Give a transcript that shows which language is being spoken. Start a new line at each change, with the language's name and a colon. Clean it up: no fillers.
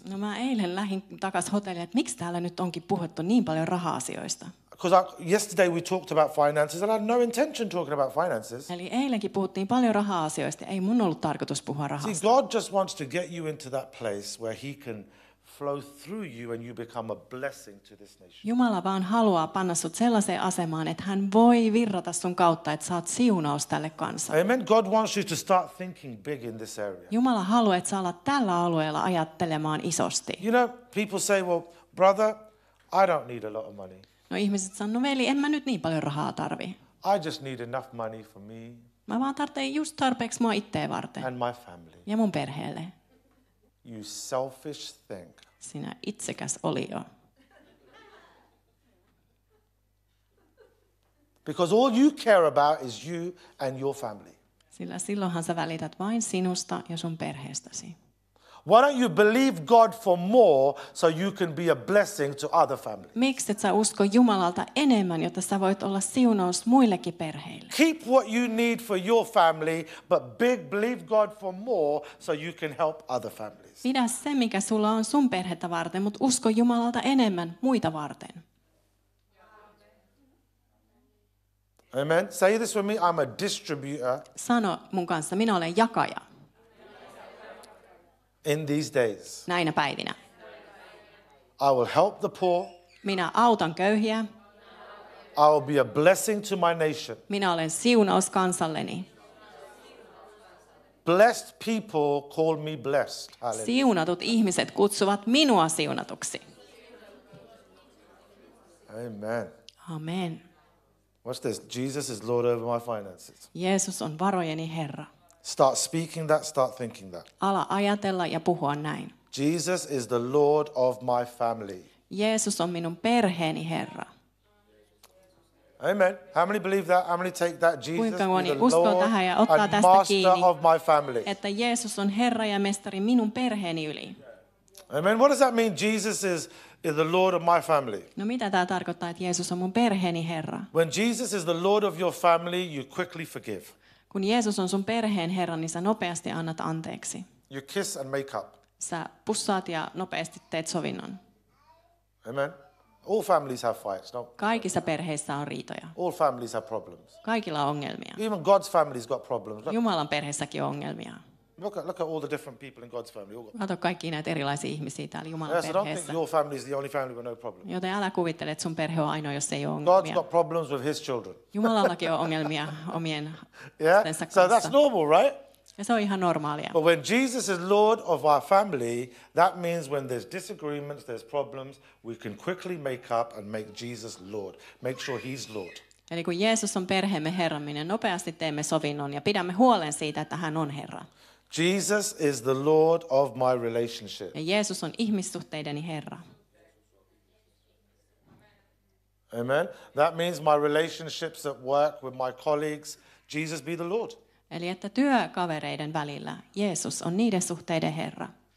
Finnish: No, mä eilen lähdin takas hotelliin, että miksi täällä nyt onkin puhuttu niin paljon raha-asioista?
English: Because yesterday we talked about finances and I had no intention talking about finances.
Finnish: Eli eilenkin puhuttiin paljon raha-asioista. Ei mun ollut tarkoitus puhua rahasta.
English: See, God just wants to get you into that place where he can flow through you and you become a blessing to this nation.
Finnish: Jumala vaan haluaa panna sut sellaiseen asemaan, että hän voi virrata sun kautta, että saat siunaus tälle kansalle.
English: Amen. God wants you to start thinking big in this area.
Finnish: Jumala haluaa, että sä alat tällä alueella ajattelemaan isosti.
English: You know, people say, well, brother, I don't need a lot of money.
Finnish: No ihmiset sanoo, no veli, en mä nyt niin paljon rahaa tarvi.
English: I just need enough money for me.
Finnish: Mä vaan tarvitsen just tarpeeksi mua itteä varten.
English: And my family.
Finnish: Ja mun perheelle.
English: You selfish thing.
Finnish: Sinä itsekäs olio.
English: Because all you care about is you and your family.
Finnish: Sillä silloinhan sä välität vain sinusta ja sun perheestäsi.
English: Why don't you believe God for more so you can be a blessing to other families?
Finnish: Miksi et sä usko Jumalalta enemmän, jotta sä voit olla siunaus muillekin perheille?
English: Keep what you need for your family, but big believe God for more so you can help other families.
Finnish: Pidä se, mikä sulla on sun perhettä varten, mutta usko Jumalalta enemmän muita varten.
English: Amen. Say this with me. I'm a distributor.
Finnish: Sano mun kanssa, minä olen jakaja.
English: In these days.
Finnish: Näinä päivinä.
English: I will help the poor.
Finnish: Minä autan köyhiä.
English: I will be a blessing to my nation.
Finnish: Minä olen siunaus kansalleni.
English: Blessed people call me blessed. Hallelujah.
Finnish: Siunatut ihmiset kutsuvat minua siunatuksi.
English: Amen. Amen. What's this? Jesus is Lord over my finances.
Finnish: Jeesus on varojeni Herra.
English: Start speaking that, start thinking that.
Finnish: Ala ajatella ja puhua näin.
English: Jesus is the Lord of my family.
Finnish: Jeesus on minun perheeni Herra.
English: Amen. How many believe that? How many take that? Jesus is the Lord and master of my family.
Finnish: Että Jeesus on Herra ja mestari minun perheeni yli.
English: Amen. What does that mean? Jesus is the Lord of my family.
Finnish: No mitä tämä tarkoittaa, että Jeesus on mun perheeni Herra?
English: When Jesus is the Lord of your family, you quickly forgive.
Finnish: Kun Jeesus on sun perheen Herra, niin sä nopeasti annat anteeksi.
English: You kiss and make up.
Finnish: Sä pussaat ja nopeasti teet sovinnon.
English: Amen. All families have fights. No.
Finnish: Kaikissa perheissä on riitoja.
English: All families have problems.
Finnish: Kaikilla on ongelmia.
English: Even God's family's got problems. Look.
Finnish: Jumalan perheessäkin on ongelmia.
English: Look at all the different people in God's family.
Finnish: Kato kaikki näitä erilaisia ihmisiä täällä Jumalan perheessä.
English: Yes, I don't think your family is the only family with no problem.
Finnish: Joten älä kuvittele, että sun perhe on ainoa, jos ei ole ongelmia.
English: God's got problems with his children.
Finnish: Jumalallakin on ongelmia omien lastensa kanssa.
English: So that's normal, right?
Finnish: Ja se on ihan normaalia.
English: But when Jesus is Lord of our family, that means when there's disagreements, there's problems, we can quickly make up and make Jesus Lord. Make sure he's Lord.
Finnish: Eli kun Jeesus on perheemme Herra, minä nopeasti teemme sovinnon ja pidämme huolen siitä, että hän on Herra.
English: Jesus is the Lord of my relationship.
Finnish: Ja Jeesus on ihmissuhteideni Herra.
English: Amen. That means my relationships at work with my colleagues, Jesus be the Lord.
Finnish: Eli että työkavereiden välillä Jeesus on niiden suhteiden Herra.